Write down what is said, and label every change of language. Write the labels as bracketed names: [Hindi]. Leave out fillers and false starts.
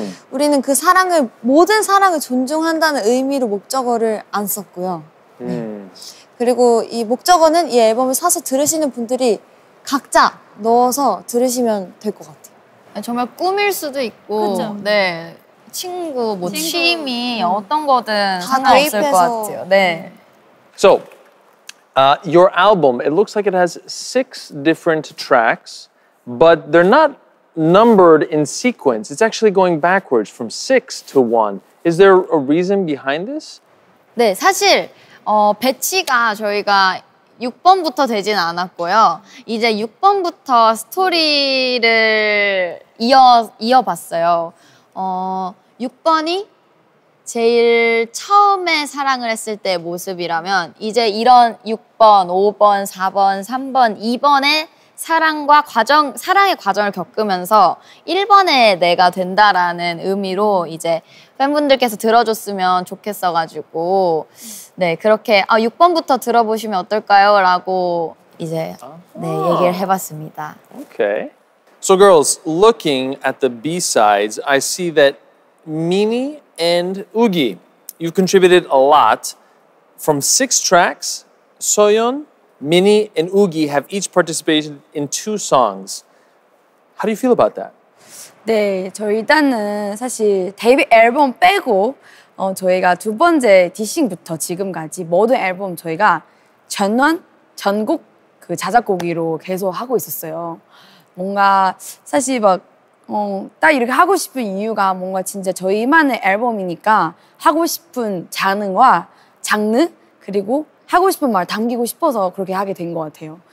[Korean] 우리는 그 사랑을 모든 사랑을 존중한다는 의미로 목적어를 안 썼고요. 그리고 이 목적어는 이 앨범을 사서 들으시는 분들이 각자 넣어서 들으시면 될 것 같아요. 정말 꿈일 수도 있고 네, 친구, 뭐 친구. 취미 어떤 거든 상관없을 것 같아요. 네. [English] So, your album, it looks like it has six different tracks, but they're not numbered in sequence. It's actually going backwards from 6 to 1. Is there a reason behind this? [Korean] 네, 사실 배치가 저희가 6번부터 되진 않았고요. 이제 6번부터 스토리를 이어봤어요. 6번이 제일 처음에 사랑을 했을 때 모습이라면 이제 이런 6번, 5번, 4번, 3번, 2번의 사랑과 과정, 사랑의 과정을 겪으면서 1번의 내가 된다라는 의미로 이제 팬분들께서 들어줬으면 좋겠어가지고 네 그렇게 아 6번부터 들어보시면 어떨까요?라고 이제 네 얘기를 해봤습니다. [English] Okay. So girls, looking at the B-sides, I see that Mini and Ugi, you contributed a lot from 6 tracks. Soyeon, Mini, and Ugi have each participated in 2 songs. How do you feel about that? [Korean] 네, 저 일단은 사실 데뷔 앨범 빼고 저희가 두 번째 디싱부터 지금까지 모든 앨범 저희가 전원 전곡 그 자작곡으로 계속 하고 있었어요. 뭔가 사실 막 딱 이렇게 하고 싶은 이유가 뭔가 진짜 저희만의 앨범이니까 하고 싶은 장르와 장르 그리고 하고 싶은 말 담기고 싶어서 그렇게 하게 된 것 같아요.